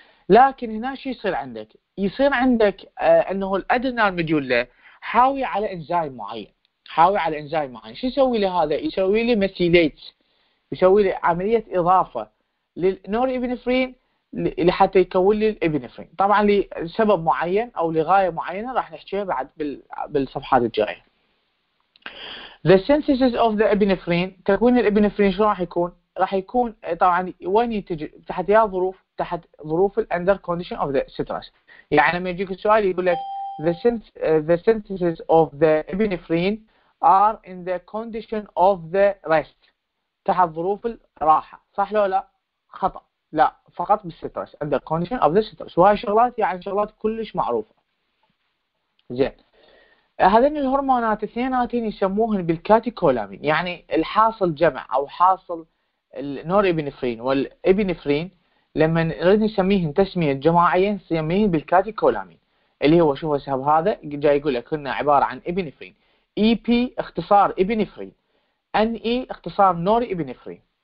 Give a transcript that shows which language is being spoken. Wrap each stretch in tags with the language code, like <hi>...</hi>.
<ar>لكن هنا شو يصير عندك؟ يصير عندك انه الادرينال ميديولا حاوي على انزيم معين، حاوي على انزيم معين، شو يسوي لهذا؟ يسوي لي ميثيليت، يسوي لي عملية إضافة للنور ابنفرين لحتى يكون لي الابنفرين، طبعا لسبب معين أو لغاية معينة راح نحكيها بعد بالصفحات الجاية.</ar> <en>The synthesis of the epinephrine،</en> <ar>تكوين الابنفرين شو راح يكون؟ راح يكون طبعا وين يتج تحت يا ظروف؟ تحت ظروف الـ</ar> <en>under condition of the stress.</en> <ar>يعني لما يجيك السؤال يقول لك</ar> <en>the synthesis of the epinephrine are in the condition of the rest،</en> <ar>تحت ظروف الراحة، صح لو لا؟ خطأ، لا فقط بالسترس،</ar> <en>under condition of the stress.</en> <ar>وهي شغلات يعني شغلات كلش معروفة. زين هذين الهرمونات اثنيناتين يسموهن بالكاتيكولامين، يعني الحاصل جمع او حاصل النور ابنفرين والابنفرين لما نريد نسميهن تسمية جماعية نسميهن بالكاتيكولامين، اللي هو شوف هسه هذا جاي يقول لك هن عبارة عن ابنفرين، اي بي اختصار ابنفرين، ان اي اختصار نور ابنفرين.</ar>